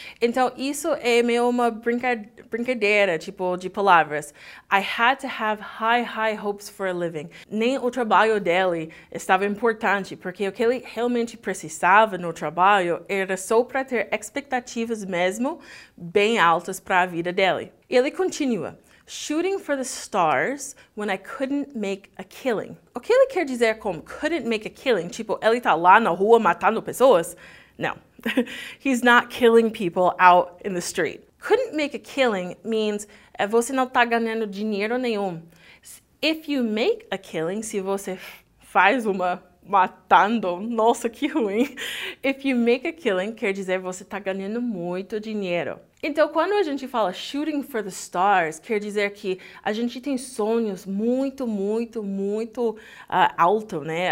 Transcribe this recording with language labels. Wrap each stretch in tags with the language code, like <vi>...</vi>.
<pt>Então isso é meio uma brincadeira, tipo de palavras.</pt> <en>I had to have high, high hopes for a living.</en> <pt>Nem o trabalho dele estava importante, porque o que ele realmente precisava no trabalho era só para ter expectativas mesmo bem altas para a vida dele. Ele continua.</pt> <en>Shooting for the stars when I couldn't make a killing.</en> <pt>O que ele quer dizer com</pt> <en>couldn't make a killing?</en> <pt>Tipo, ele tá lá na rua matando pessoas?</pt> <en>No. He's not killing people out in the street. Couldn't make a killing means</en> <pt>você não tá ganhando dinheiro nenhum.</pt> <en>If you make a killing,</en> <pt>se você faz uma matando, nossa, que ruim.</pt> <en>If you make a killing,</en> <pt>quer dizer você tá ganhando muito dinheiro. Então, quando a gente fala</pt> <en>shooting for the stars,</en> <pt>quer dizer que a gente tem sonhos muito, muito, muito alto, né?</pt>